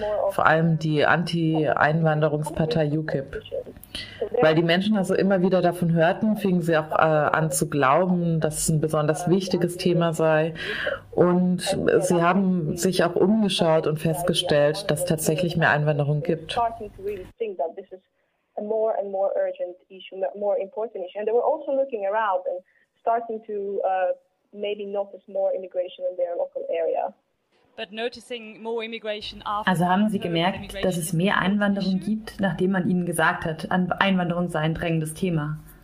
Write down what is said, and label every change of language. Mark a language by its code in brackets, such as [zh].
[de] Vor allem die Anti-Einwanderungspartei UKIP. Weil die Menschen also immer wieder davon hörten, fingen sie auch an zu glauben, dass es ein besonders wichtiges Thema sei. Und sie haben sich auch umgeschaut und festgestellt, dass es tatsächlich mehr Einwanderung gibt. [en] A more and more urgent issue, more important issue. And they were also looking around and starting to maybe notice more immigration in their local area. But noticing more immigration after. [de] Also haben Sie gemerkt, dass es mehr Einwanderung gibt, nachdem man Ihnen gesagt hat, Einwanderung sei ein drängendes Thema?